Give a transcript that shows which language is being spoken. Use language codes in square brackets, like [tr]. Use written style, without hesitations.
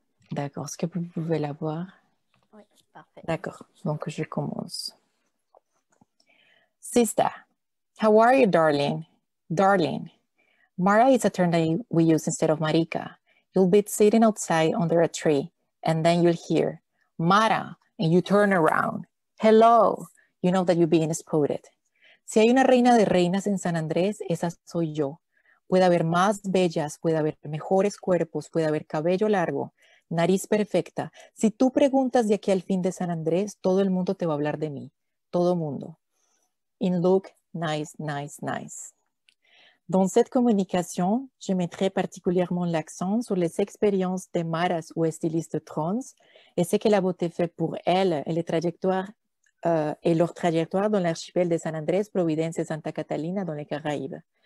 [fr] D'accord, est-ce que vous pouvez la voir? Oui, parfait. D'accord, donc je commence. [en] Sista, how are you, darling? Darling, Mara is a term that we use instead of Marica. You'll be sitting outside under a tree, and then you'll hear, Mara, and you turn around. Hello, you know that you're being spotted. [es] Si hay una reina de reinas en San Andrés, esa soy yo. Puede haber más bellas, puede haber mejores cuerpos, puede haber cabello largo. Nariz perfecta. Si tú preguntas de aquí al fin de San Andrés, todo el mundo te va a hablar de mí. Todo mundo. [en] In look, nice, nice, nice. [fr] Dans cette communication, je mettrai particulièrement l'accent sur les expériences des maras ou stylistes trans et ce que la beauté fait pour elles et les trajectoires et leur trajectoire dans l'archipel de San Andrés, Providence et Santa Catalina dans les Caraïbes.